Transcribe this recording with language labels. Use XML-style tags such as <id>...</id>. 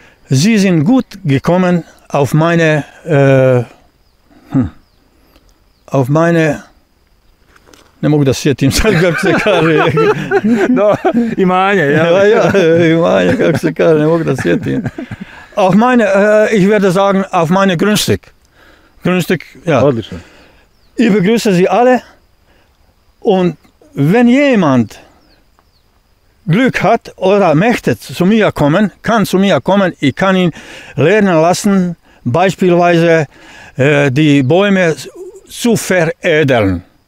<de>Sie sind gut gekommen auf meine auf meine.</de> <bs>Ne mogu da sjetim sad kako se kaže. Da, imanje, ja. Imanje, kako se kaže, ne mogu da sjetim.</bs> <de>Auf meine, ich werde sagen, auf meine Grundstück. Grundstück, ja.</de> <bs>Odlično.</bs> <de>Ich begrüße Sie alle. Und wenn jemand Glück hat oder möchte zu mir kommen, kann zu mir kommen, ich kann ihn lernen lassen, beispielsweise die Bäume zu veredeln.</de>